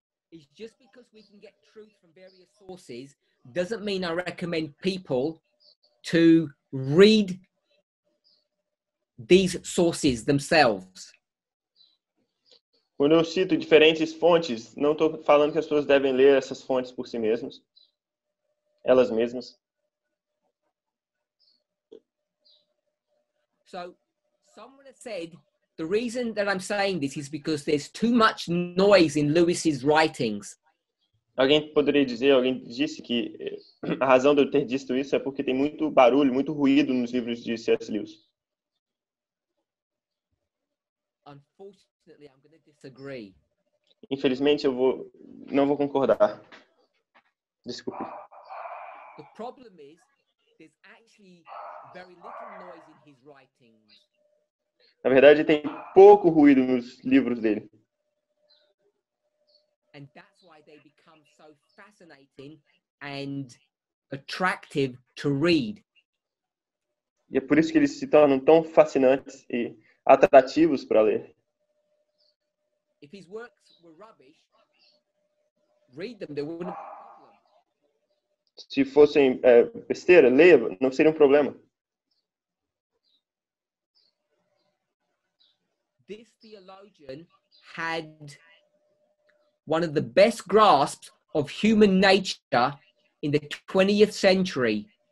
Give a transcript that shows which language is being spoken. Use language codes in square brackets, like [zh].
[en] Is just because we can get truth from various sources doesn't mean I recommend people to read these sources themselves. [pt] Quando eu cito diferentes fontes, não estou falando que as pessoas devem ler essas fontes por si mesmas, elas mesmas. [en] So, someone has said the reason that I'm saying this is because there's too much noise in Lewis's writings. [pt] Alguém poderia dizer, alguém disse que a razão de eu ter dito isso é porque tem muito barulho, muito ruído nos livros de C.S. Lewis. [en] Unfortunately, I'm going to disagree. [pt] Infelizmente, eu não vou concordar. Desculpe. [en] The problem is there's actually very little noise in his writings. [pt] Na verdade, tem pouco ruído nos livros dele. [en] And that's why they become so fascinating and attractive to read. [pt] E é por isso que eles se tornam tão fascinantes e atrativos para ler. [en] If his works were rubbish, read them, they wouldn't be a problem. [pt] Se fossem besteira, leia, não seria um problema. [en] This theologian had one of the best grasps of human nature in the 20th century.